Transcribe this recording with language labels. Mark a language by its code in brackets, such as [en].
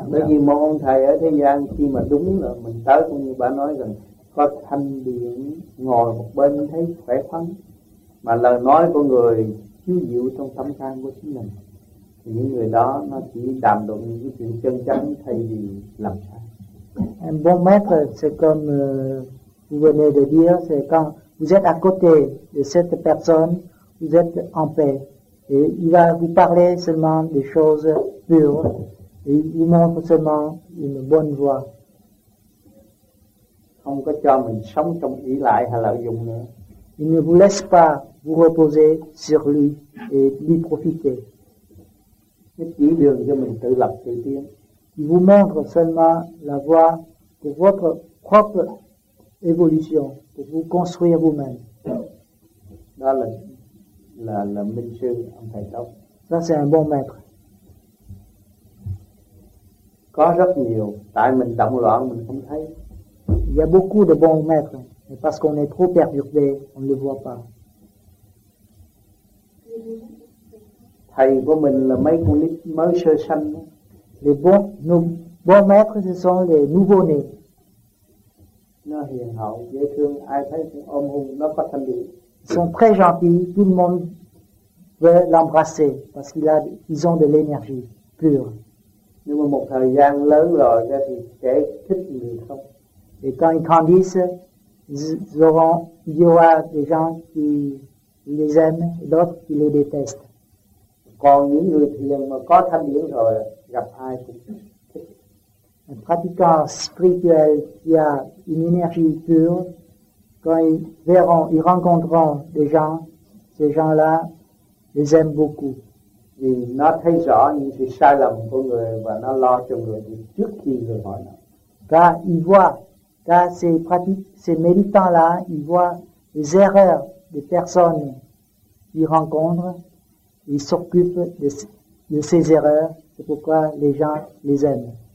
[vi] Bởi vì một ông thầy ở thế gian khi mà đúng là mình tới cũng như bà nói rằng có thanh điển ngồi một bên thấy khỏe khoắn, mà lời nói của người chiếu dịu trong tâm can của chính mình, thì những người đó nó chỉ đàm luận những cái chuyện chân chánh thay vì làm sai. [fr] Un bon maître, c'est comme vous venez de dire, c'est quand vous êtes à côté de cette personne, vous êtes en paix. Et il va vous parler seulement des choses pures, et il montre seulement une bonne voie. [vi] Không có cho mình sống trong ý lại hay lợi dụng nữa. [fr] Il ne vous laisse pas vous reposer sur lui et lui profiter. [vi] Il chỉ đường cho mình tự lập tự tiến. [fr] Il vous montre seulement la voie pour votre propre évolution, pour vous construire vous-même. [vi] Đó là minh sư, ông thầy tốt. [fr] Ça c'est un bon maître. [vi] Có rất nhiều, tại mình động loạn mình không thấy. [fr] Il y a beaucoup de bons maîtres, mais parce qu'on est trop perturbé, on ne le voit pas. [vi] Thầy của mình là mấy con nít mới sơ sanh. [fr] Les bons maîtres, ce sont les nouveau-nés. [vi] Nó hiền hậu, dễ thương, ai thấy cũng ôm hôn, nó có thanh điển. [fr] Ils sont très gentils, tout le monde veut l'embrasser parce qu'ils ont de l'énergie pure. [vi] Nhưng mà một thời gian lớn rồi ra thì trẻ thích người không. [fr] Et quand ils grandissent, il y aura des gens qui les aiment et d'autres qui les détestent. [vi] Còn những người thiền mà có thanh điển rồi gặp ai cũng thích. [fr] Un pratiquant spirituel qui a une énergie pure, quand ils rencontreront des gens, ces gens-là les aiment beaucoup. [vi] Nó thấy rõ những cái sai lầm của người và nó lo cho người trước khi người hỏi nó. [fr] Car ils voient, car ces méditants-là, ils voient les erreurs des personnes qu'ils rencontrent, ils s'occupent de ces erreurs, c'est pourquoi les gens les aiment.